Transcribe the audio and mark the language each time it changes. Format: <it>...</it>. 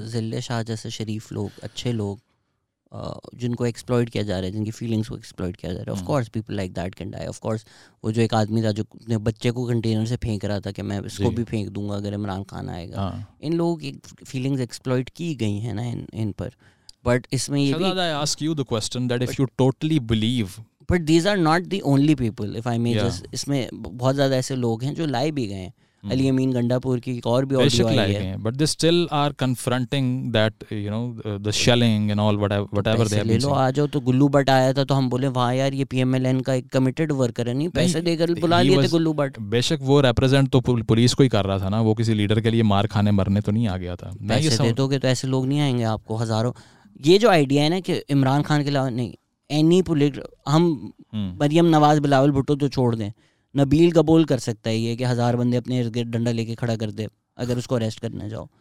<ur>ذلے شاہ جیسے شریف لوگ, اچھے لوگ, جن کو ایکسپلوئڈ کیا جا رہا ہے, جن کی فیلنگس کو ایکسپلوئڈ کیا جا رہا ہے. Of course people like that can die. Of course وہ جو ایک آدمی تھا جو اپنے بچے کو کنٹینر سے پھینک رہا تھا کہ میں اس کو بھی پھینک دوں گا اگر عمران خان آئے گا, ان لوگوں کی فیلنگس ایکسپلوئڈ کی گئی ہیں نا ان پر. بٹ اس میں یہ بھی</ur> <en>Shahzad, I ask you the question that if you totally believe,</en> <ur>but these are not the only people if I may just, اس میں بہت زیادہ ایسے لوگ ہیں جو لائے بھی گئے ہیں. علی امین گنڈا پور کی ایک اور بھی آڈیو آئی ہے,</ur> <en>but they still are confronting that you know the shelling and all whatever they have</en> <ur>been. لو آ جاؤ تو گلو بٹ آیا تھا تو ہم بولے وہاں یار یہ پی ایم ایل این کا ایک کمیٹڈ ورکر ہے, نہیں پیسے دے کر بلا لیے تھے گلو بٹ. بے شک وہ ریپرزینٹ تو پولیس کو ہی کر رہا تھا نا, وہ کسی لیڈر کے لیے مار کھانے مرنے تو نہیں آ گیا تھا. پیسے دے دو گے تو ایسے لوگ نہیں آئیں گے آپ کو ہزاروں. یہ جو آئیڈیا ہے نا کہ عمران خان کے علاوہ نہیں اینی پولیٹ, ہم مریم نواز بلاول بھٹو تو چھوڑ دیں, نبیل قبول کر سکتا ہے یہ کہ ہزار بندے اپنے ارد گرد ڈنڈا لے کے کھڑا کر دے اگر اس کو اریسٹ کرنے جاؤ.</ur>